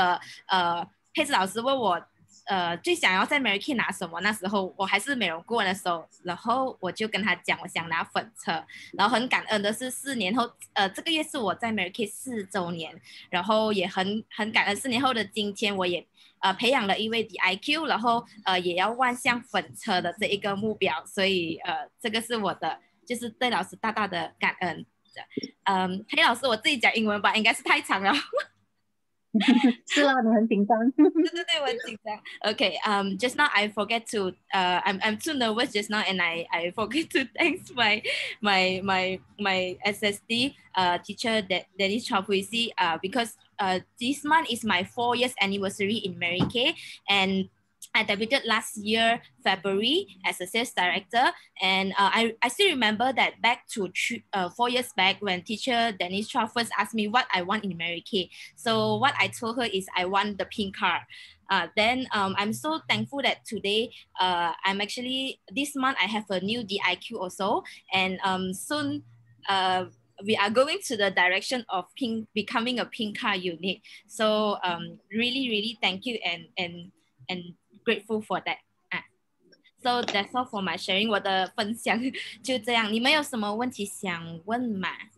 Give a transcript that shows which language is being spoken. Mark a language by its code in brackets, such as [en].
[zh] 所以这一个是我今天的分享。还有刚刚太紧张进入，忘记谢谢佩斯老师的表扬。我心跳，我虽然每次分享，但是我还是会很紧张，然后一下子不懂心跳要跳出来了，忘记跟老师说谢谢佩斯老师的表扬。在我从美容顾问的时候呢，我就跟着老师紧紧的脚步。我还记得，佩斯老师问我。最想要在Mary Kay拿什么？那时候我还是美容顾问的时候，然后我就跟他讲，我想拿粉车，然后很感恩的是四年后，这个月是我在 Mary Kay 4周年，然后也很感恩四年后的今天，我也培养了一位 DIQ， 然后也要万向粉车的这一个目标，所以这个是我的，就是对老师大大的感恩。黑老师，我自己讲英文吧，应该是太长了。是啦，你很紧张。对对对，我很紧张。 [en] OK, just now I forget to, I'm too nervous just now, and I forget to thanks my SSD, teacher Dennis Chopuisi, because this month is my 4 years anniversary in Mary Kay, and I debuted last year February as a sales director, and I still remember that back to 4 years back when teacher Dennis Chua first asked me what I want in Mary Kay. So what I told her is I want the pink car. Then I'm so thankful that today I'm actually this month I have a new DIQ also, and soon we are going to the direction of pink, becoming a pink car unit. So really really thank you and grateful for that. So that's all for my sharing. [zh] 我的分享就这样。你们有什么问题想问吗？